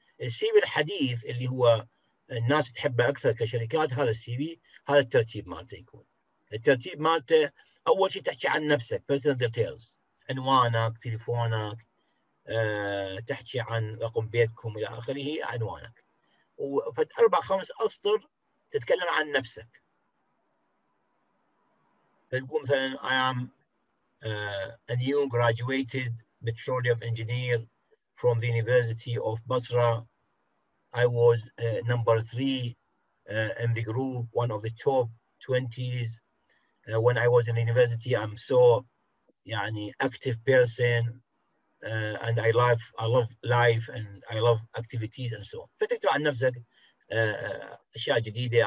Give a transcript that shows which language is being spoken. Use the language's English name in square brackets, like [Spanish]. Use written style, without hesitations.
[Arabic] السي في الحديث اللي هو الناس تحبه اكثر كشركات، هذا السي في، هذا الترتيب مالته يكون، الترتيب مالته اول شيء تحكي عن نفسك، [English] personal details، [Arabic] عنوانك، تليفونك، تحكي عن رقم بيتكم الى اخره، عنوانك، واربع خمس اسطر تتكلم عن نفسك. تقول مثلاً [English] I am a new graduated petroleum engineer from the University of Basra. I was number 3 in the group, one of the top 20s. When I was in university, I'm so يعني active person and I love life and I love activities and so on. [Arabic] فتكتب عن نفسك أشياء جديدة.